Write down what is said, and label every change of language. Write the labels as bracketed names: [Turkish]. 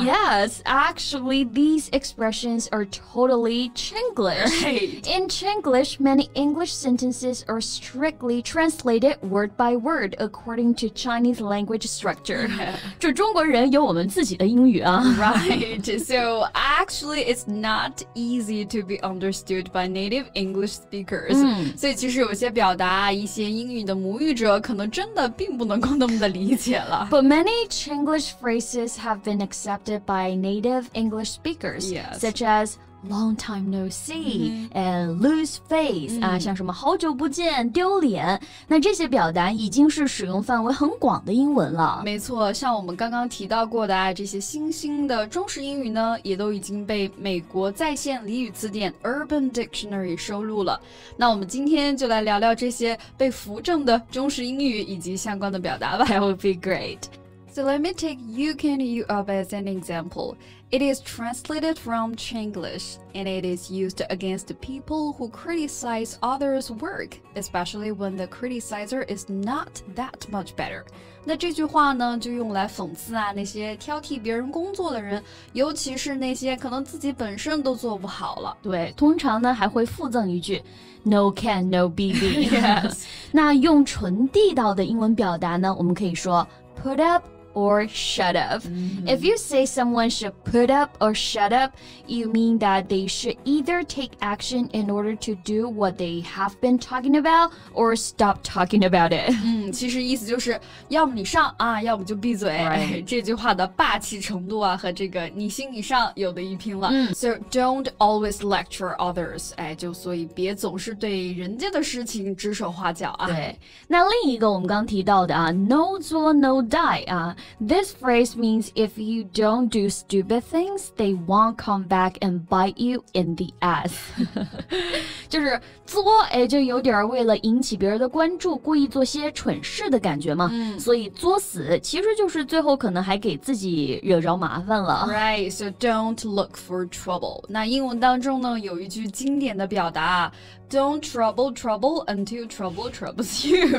[English] Yes, actually, these expressions are totally Chinglish. Right. In Chinglish, many English sentences are strictly translated word by word according to Chinese language structure. [Chinese] 就中国人有我们自己的英语啊。 [English] Right, so actually it's not easy to be understood by native English speakers. [Chinese] 所以其实有些表达一些英语的母语者可能真的并不能够那么的理解了。 [English] But many Chinglish phrases have been accepted by native English speakers, yes. such aslong time no see,、mm-hmm. and lose face,、mm-hmm. [Chinese] 像什么好久不见丢脸那这些表达已经是使用范围很广的英文了。没错像我们刚刚提到过的、这些新兴的中式英语呢也都已经被美国在线俚语词典 Urban Dictionary 收录了。那我们今天就来聊聊这些被扶正的中式英语以及相关的表达吧。 [English] That would be great. So let me take you can you up as an example. It is translated from Chinglish, and it is used against people who criticize others' work, especially when the criticizer is not that much better. [Chinese] 那这句话呢，就用来讽刺啊，那些挑剔别人工作的人，尤其是那些可能自己本身都做不好了。对，通常呢，还会附赠一句 no can, no BB. [English] Yes. [Chinese] 那用纯地道的英文表达呢，我们可以说 [English] Put up or shut up.、 [Chinese] Mm-hmm. [English] If you say someone should put up or shut up, you mean that they should either take action in order to do what they have been talking about or stop talking about it.、 [Chinese] 其实意思就是要么你上、要么就闭嘴、 [English] right. [Chinese] 这句话的霸气程度、和这个你行你上有的一拼了、 [English] So don't always lecture others.、 [Chinese] 就所以别总是对人家的事情指手画脚、对那另一个我们刚提到的、 [English] No 做 no die、This phrase means if you don't do stupid things, they won't come back and bite you in the ass. [Chinese] 就是作、就有点为了引起别人的关注故意做些蠢事的感觉嘛、所以作死其实就是最后可能还给自己惹着麻烦了 [English] Right, so don't look for trouble. [Chinese] 那英文当中呢有一句经典的表达 [English] Don't trouble trouble until trouble troubles you.